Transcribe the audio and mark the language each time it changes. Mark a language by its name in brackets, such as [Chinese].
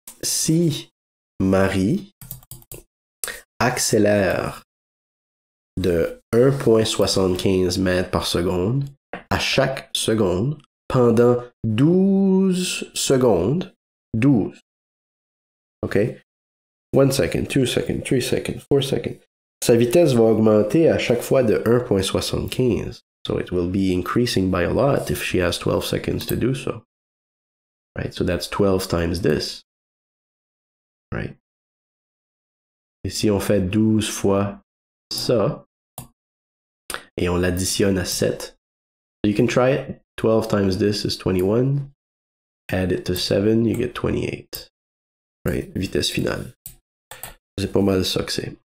[French] si Marie accélère de 1,75 mètres par seconde à chaque seconde pendant 12 secondes, 12, OK? [English] 1 second, 2 second, 3 second, 4 second. [French] Sa vitesse va augmenter à chaque fois de 1,75. [English] So it will be increasing by a lot if she has 12 seconds to do so. Right, so that's 12 times this. Right. [French] Et si on fait 12 fois ça, et on l'additionne à 7, [English] so you can try it. 12 times this is 21. Add it to 7, you get 28. [French] Right, vitesse finale. C'est pas mal ça que c'est.